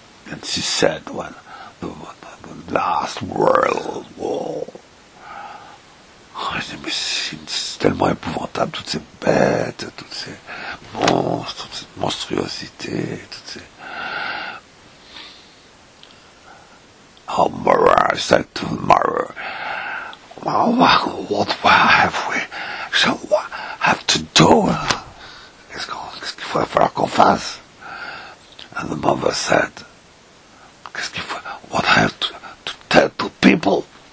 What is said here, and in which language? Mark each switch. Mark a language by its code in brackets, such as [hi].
[en] And she said, well, the last world war. [fr] Oh, mais c'est tellement épouvantable, toutes ces bêtes, toutes ces monstres, toutes ces monstruosités, toutes ces... [en] Oh, Mara, I said to Mara, what have we, shall we have to do? [fr] Qu'est-ce qu'il faut qu'on fasse? [en] And the mother said, [fr] qu'est-ce qu'il faut, [en] what have to tell to people?